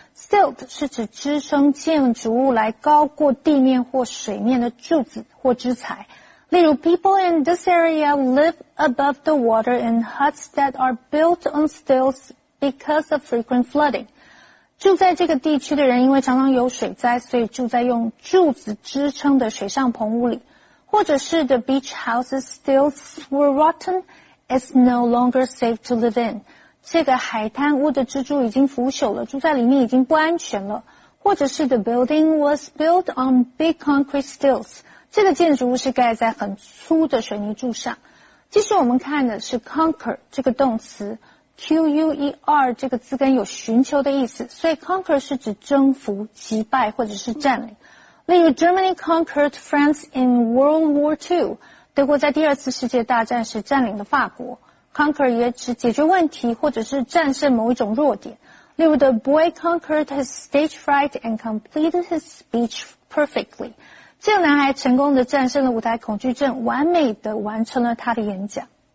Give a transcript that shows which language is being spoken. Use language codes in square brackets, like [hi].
[zh] Stilt 是指支撑建筑物来高过地面或水面的柱子或支材。例如 [en] people in this area live above the water in huts that are built on stilts because of frequent flooding. [zh] 住在这个地区的人因为常常有水灾所以住在用柱子支撑的水上棚屋里。或者是 [en] the beach house's stilts were rotten,It's no longer safe to live in. [zh] 这个海滩屋的支柱已经腐朽了，住在里面已经不安全了。或者是 [en] the building was built on big concrete stilts. [zh] 这个建筑物是盖在很粗的水泥柱上。继续我们看的是 conquer 这个动词 ,Q-U-E-R 这个字根有寻求的意思，所以 conquer 是指征服、击败或者是占领。例如 [en] Germany conquered France in World War II. [zh] 德国在第二次世界大战时占领了法国。 Conquer 也指解决问题或者是战胜某一种弱点。例如 [en] The boy conquered his stage fright and completed his speech perfectly. [zh] 这个男孩成功地战胜了舞台恐惧症，完美地完成了他的演讲。